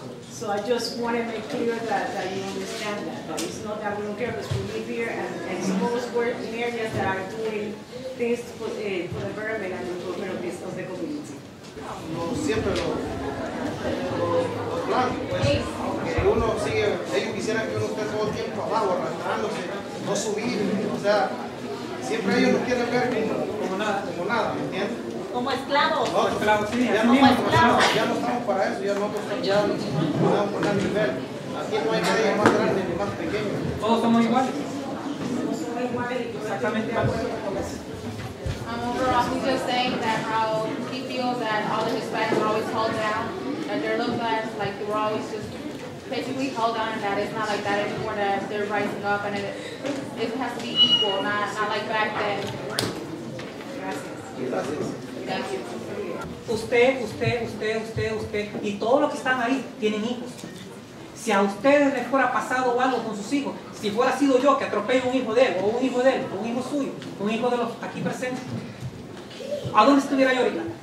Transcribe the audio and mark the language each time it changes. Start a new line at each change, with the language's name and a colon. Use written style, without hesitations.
English: So I just want to make clear that you understand that. But it's not that we don't care because we live here and some of us work in areas that are doing things for the betterment and improvement of the community.
Spanish: No, siempre los blancos, pues, que uno sigue, ellos quisieran que uno esté todo el tiempo abajo, arrastrándose, no subir, o sea, siempre ellos nos quieren ver como nada, ¿me entiendes? Como esclavos. No, esclavos, sí, ya no, como esclavos. Ya no estamos para eso, ya no estamos para poner nivel. Aquí no hay nadie más grande ni más pequeño. Todos somos iguales. Todos somos iguales y exactamente de acuerdo con eso.
English: I'm overall just saying that how he feels. feel that all the Hispanics are always held down, that they're looked at like they were always just basically held on, that it's not like that anymore, that they're rising up, and it has to be equal, not like back then.
Spanish: Gracias.
English: Thank you.
Spanish: Usted y todos los que están ahí tienen hijos. Si a ustedes les fuera pasado algo con sus hijos, si fuera sido yo que atropello un hijo de él, o un hijo de él, o un hijo suyo, un hijo de los aquí presentes, ¿a dónde estuviera yo ahorita?